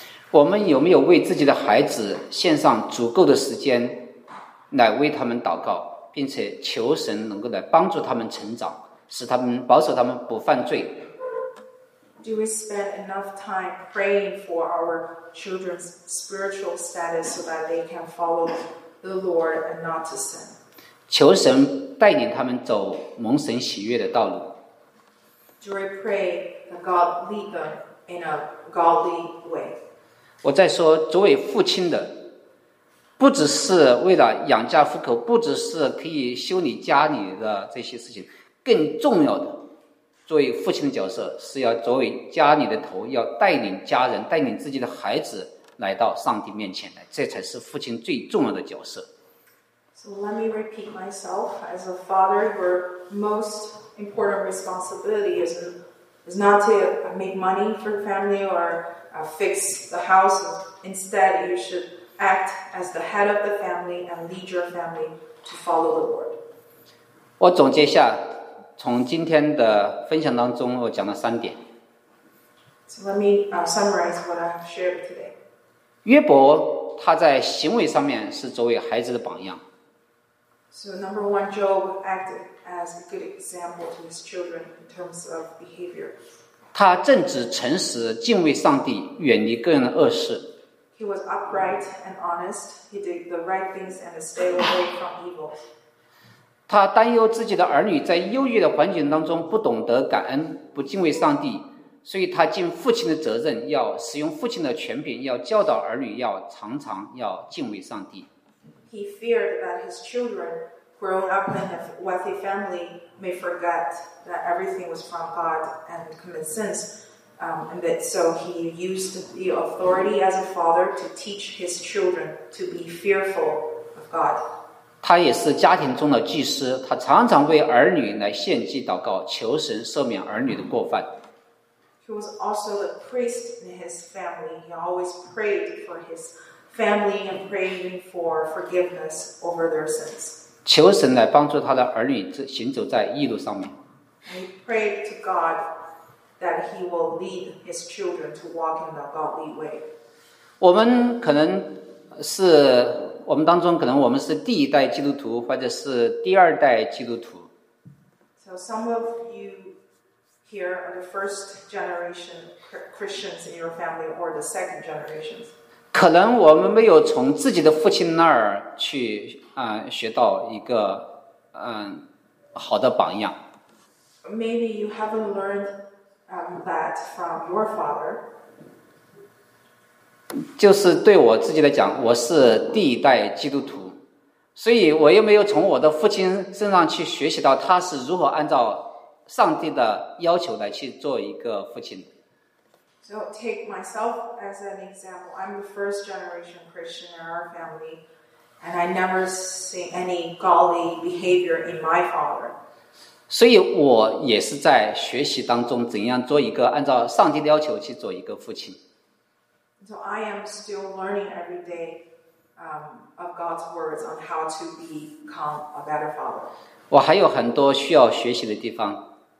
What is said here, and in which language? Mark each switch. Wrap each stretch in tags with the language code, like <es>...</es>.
<zh>我们有没有为自己的孩子献上足够的时间来为他们祷告，并且求神能够来帮助他们成长，使他们保守他们不犯罪。</zh> <en>Do we spend enough time praying for our children's spiritual status so that they can follow the Lord and not to sin?</en> <zh>求神带领他们走蒙神喜悦的道路。</zh> <en>Do we pray that God lead them in a godly way?</en> <zh>我在说作为父亲的不只是为了养家糊口，不只是可以修理家里的这些事情，更重要的作为父亲的角色是要作为家里的头，要带领家人，带领自己的孩子来到上帝面前来，这才是父亲最重要的角色。</zh> <en>So let me repeat myself. As a father, your most important responsibility is not to make money for family or fix the house. Instead, you shouldact as the head of the family and lead your family to follow the Lord.</en> <zh>我总结下，从今天的分享当中，我讲了三点。</zh> <en>So let me summarize what I have shared today.</en> <zh>约伯他在行为上面是作为孩子的榜样。</zh> <en>So number one, Job acted as a good example to his children in terms of behavior.</en> <zh>他正直、诚实、敬畏上帝，远离个人的恶事。</zh> <en>He was upright and honest. He did the right things and stayed away from evil.</en> <zh>他担忧自己的儿女在忧郁的环境当中不懂得感恩，不敬畏上帝，所以他尽父亲的责任，要使用父亲的权柄，要教导儿女，要常常要敬畏上帝。</zh> <en>He feared that his children, growing up in a wealthy family, may forget that everything was from God and commit sins. And that so he used the authority as a father to teach his children to be fearful of God.</en> <zh>他也是家庭中的祭司，他常常为儿女来献祭祷告，求神赦免儿女的过犯。</zh> <en>He was also a priest in his family. He always prayed for his family and praying for forgiveness over their sins.</en> <zh>求神来帮助他的儿女行走在义路上面。</zh> <en>He prayed to God. That he will lead his children to walk in the godly way.</en> <zh>我们可能是我们当中可能我们是第一代基督徒，或者是第二代基督徒。</zh> <en>So some of you here are the first generation Christians in your family, or the second generations.</en> <zh>可能我们没有从自己的父亲那儿去学到一个好的榜样。</zh> <en>Maybe you haven't learned. That from your father.</en> <zh>就是对我自己来讲，我是第一代基督徒，所以我又没有从我的父亲身上去学习到他是如何按照上帝的要求来去做一个父亲。</zh> <en>So take myself as an example. I'm the first generation Christian in our family, and I never see any godly behavior in my father.</en> <zh>所以我也是在学习当中怎样做一个按照上帝的要求去做一个父亲。</zh> <en>So I am still learning every day of God's words on how to become a better father.</en> <zh>我还有很多需要学习的地方。</zh>